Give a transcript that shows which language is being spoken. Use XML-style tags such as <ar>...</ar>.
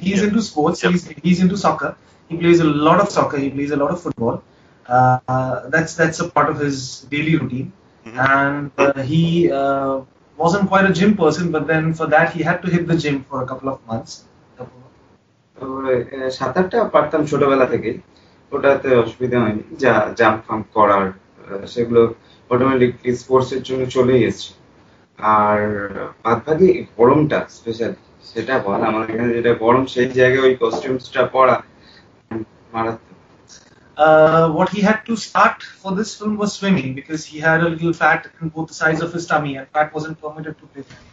<en>He's into sports. Yep. He's into soccer. He plays a lot of soccer. He plays a lot of football. That's a part of his daily routine. Mm-hmm. And he wasn't quite a gym person, but then for that he had to hit the gym for a couple of months.</en> <bn>সাঁতারটা পারতাম ছোটবেলা থেকে, ওটাতে অসুবিধা হয়নি, যা jump ফাম্প করার সেগুলো অটোমেটিকলি স্পোর্টসের জন্য চলেই এসছে। আর বাদ বাকি গরমটা স্পেশাল, সেটা বল, আমার এখানে যেটা গরম সেই জায়গায় ওই কস্টিউমসটা পরা মারাত্মক।</bn> <en>What he had to start for this film was swimming, because he had a little fat in both the sides of his tummy and fat wasn't permitted to play.</en>